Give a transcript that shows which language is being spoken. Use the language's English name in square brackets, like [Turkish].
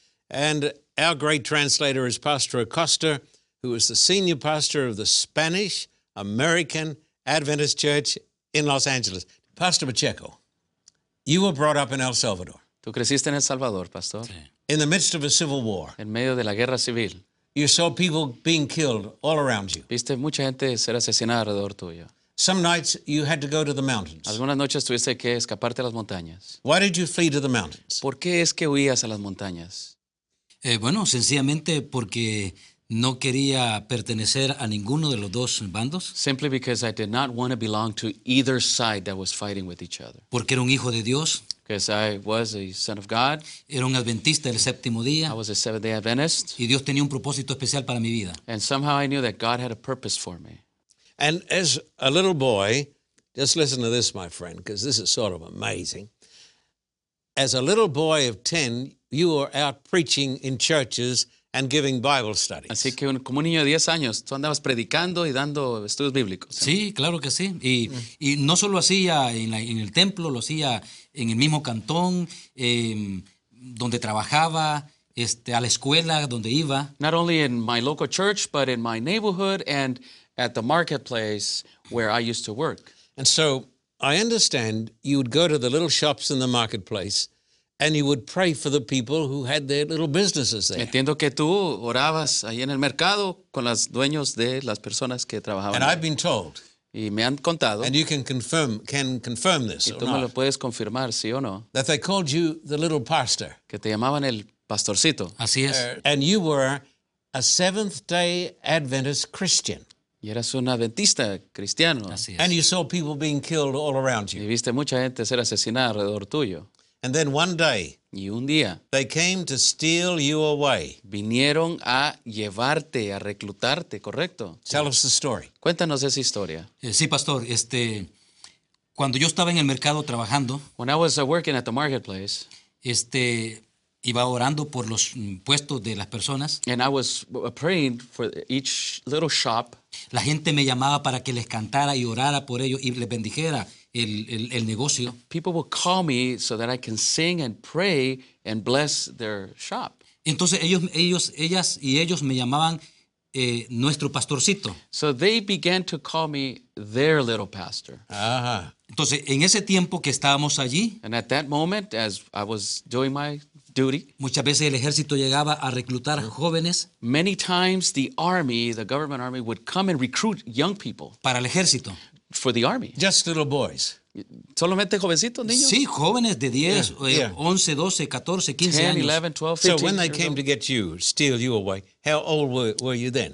[English] And our great translator is Pastor Acosta, who is the senior pastor of the Spanish American Adventist Church in Los Angeles. Pastor Pacheco, you were brought up in El Salvador. [Spanish] Tú creciste en El Salvador, Pastor. Sí. [English] In the midst of a civil war. [Spanish] En medio de la guerra civil. [English] You saw people being killed all around you. [Spanish] Viste mucha gente ser asesinada alrededor tuyo. [English] Some nights you had to go to the mountains. [Spanish] Algunas noches tuviste que escaparte a las montañas. [English] Why did you flee to the mountains? [Spanish] ¿Por qué es que huías a las montañas? Bueno, sencillamente porque no quería pertenecer a ninguno de los dos bandos. [English] Simply because I did not want to belong to either side that was fighting with each other. [Spanish] Porque era un hijo de Dios. [English] Because I was a son of God. [Spanish] Era un adventista del séptimo día. [English] I was a Seventh-day Adventist. [Spanish] Y Dios tenía un propósito especial para mi vida. [English] And somehow I knew that God had a purpose for me. And as a little boy, just listen to this, my friend, because this is sort of amazing. As a little boy of 10, you were out preaching in churches and giving Bible studies. [Spanish] Así que como un niño de 10 años, tú andabas predicando y dando estudios bíblicos. Sí, claro que sí. Y no solo hacía en el templo, lo hacía en el mismo cantón, donde trabajaba. A la escuela donde iba. [English] Not only in my local church, but in my neighborhood and at the marketplace where I used to work. And so I understand you would go to the little shops in the marketplace and you would pray for the people who had their little businesses there. [Spanish] Entiendo que tú orabas ahí en el mercado con los dueños de las personas que trabajaban. [English] And I've been told. [Spanish] Y me han contado. [English] And you can confirm this. [Spanish] Y tú me lo puedes confirmar, sí o no. [English] That they called you the little pastor. [Spanish] Que te llamaban el pastorcito. Así es. [English] And you were a Seventh-day Adventist Christian. [Spanish] Y eras un adventista cristiano. Así es. [English] And you saw people being killed all around you. [Spanish] Y viste mucha gente ser asesinada alrededor tuyo. [English] And then one day, [Spanish] y un día, [English] they came to steal you away. [Spanish] Vinieron a llevarte, a reclutarte, ¿correcto? [English] Tell us the story. [Spanish] Cuéntanos esa historia. Sí, pastor, cuando yo estaba en el mercado trabajando, [English] when I was working at the marketplace, [Spanish] iba orando por los puestos de las personas. [English] And I was praying for each little shop. [Spanish] La gente me llamaba para que les cantara y orara por ellos y les bendijera el negocio. [English] People would call me so that I can sing and pray and bless their shop. [Spanish] Entonces ellas y ellos me llamaban nuestro pastorcito. [English] So they began to call me their little pastor. Ajá. [Spanish] Entonces en ese tiempo que estábamos allí. [English] And at that moment as I was doing my duty. [Spanish] Muchas veces el ejército llegaba a reclutar jóvenes. [English] Many times the army, the government army, would come and recruit young people. [Spanish] Para el ejército. [English] For the army. Just little boys. [Spanish] Solamente jovencitos, niños. Sí, jóvenes de 10, 11, 12, 14, 15 años. [English] 10, 11, 12, 15. So when they came to get you, steal you away, how old were you then?